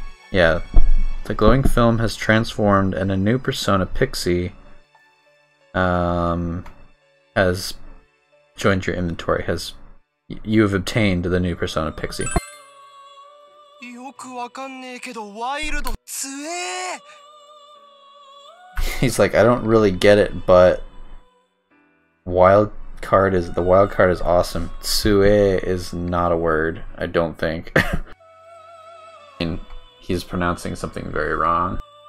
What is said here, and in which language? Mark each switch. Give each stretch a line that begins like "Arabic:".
English: Yeah, the glowing film has transformed, and a new persona, Pixie... has joined your inventory, has you have obtained the new persona Pixie.
Japanese: よくわかんねえけど、ワイルド強え。
English: He's like, I don't really get it, but wild card is awesome.
Japanese: 強え
English: is not a word, I don't think. I mean, he's pronouncing something very wrong.